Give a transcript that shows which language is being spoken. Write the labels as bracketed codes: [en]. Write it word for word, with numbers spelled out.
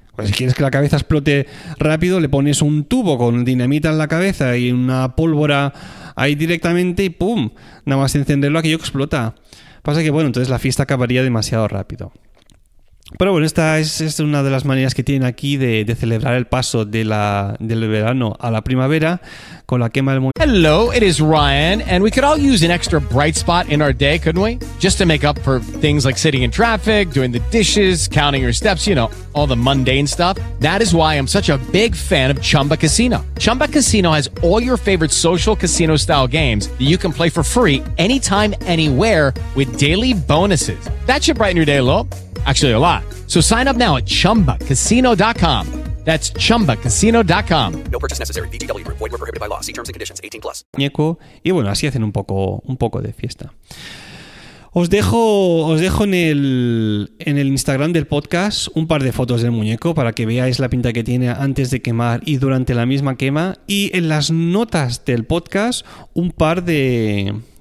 [es] Pues si quieres que la cabeza explote rápido, le pones un tubo con dinamita en la cabeza y una pólvora ahí directamente y ¡pum! Nada más encenderlo, aquello que explota. Pasa que, bueno, entonces la fiesta acabaría demasiado rápido. Pero bueno, esta es, es una de las maneras que tienen aquí de, de celebrar el paso de la, del verano a la primavera con la quema del muñeco. [en] Hello, it is Ryan, and we could all use an extra bright spot in our day, couldn't we? Just to make up for things like sitting in traffic, doing the dishes, counting your steps, you know, all the mundane stuff. That is why I'm such a big fan of Chumba Casino. Chumba Casino has all your favorite social casino-style games that you can play for free anytime, anywhere with daily bonuses. That should brighten your day a little. Actually, a lot. So sign up now at chumba casino dot com. That's chumba casino dot com. No purchase necessary. V G W Group. Void where prohibited by law. See terms and conditions. eighteen plus. [es] Y bueno, así hacen un poco, un poco de fiesta. Os dejo, os dejo en el, en el Instagram del podcast un par de fotos del muñeco para que veáis la pinta que tiene antes de quemar y durante la misma quema. Y en las notas del podcast un par de...